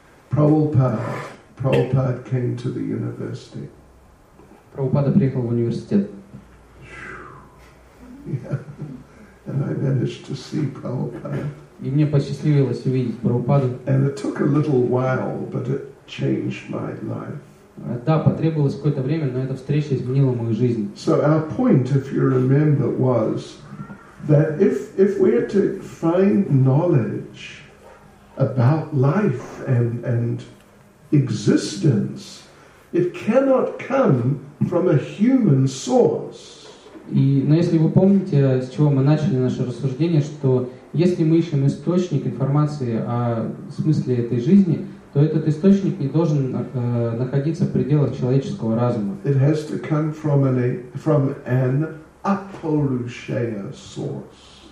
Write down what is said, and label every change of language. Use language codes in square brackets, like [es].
[en] Prabhupada came to the university. [ru] Prabhupada приехал в университет. [en] Yeah. And I managed to see Prabhupada. [ru] И мне посчастливилось увидеть Прабхупаду. [en] And it took a little while, but it changed my life. [ru] Да, потребовалось какое-то время, но эта встреча изменила мою жизнь. [en] So our point, if you remember, was that if we are to find knowledge about life and existence, it cannot come from a human source. [ru] И, но если вы помните, с чего мы начали наше рассуждение, что если мы ищем источник информации о смысле этой жизни, то этот источник не должен находиться в пределах человеческого разума. [en] It has to come from an Апаурушея source.